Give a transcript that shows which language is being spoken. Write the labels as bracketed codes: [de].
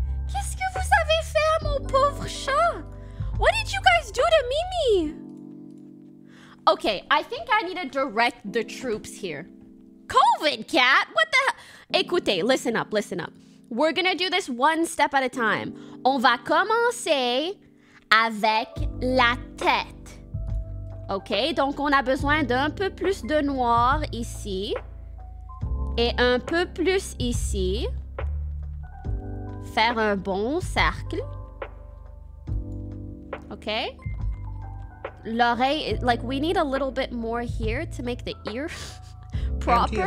[fr] Qu'est-ce que vous avez fait à mon pauvre chat? [en] What did you guys do to Mimi? Okay, I think I need to direct the troops here. COVID cat, what the hell? Écoutez, listen up. We're gonna do this one step at a time. [fr] On va commencer avec la tête. Okay, donc on a besoin d'un peu plus de noir ici. Et un peu plus ici. Faire un bon cercle. [en] Okay. L'oreille, like, we need a little bit more here to make the ear proper.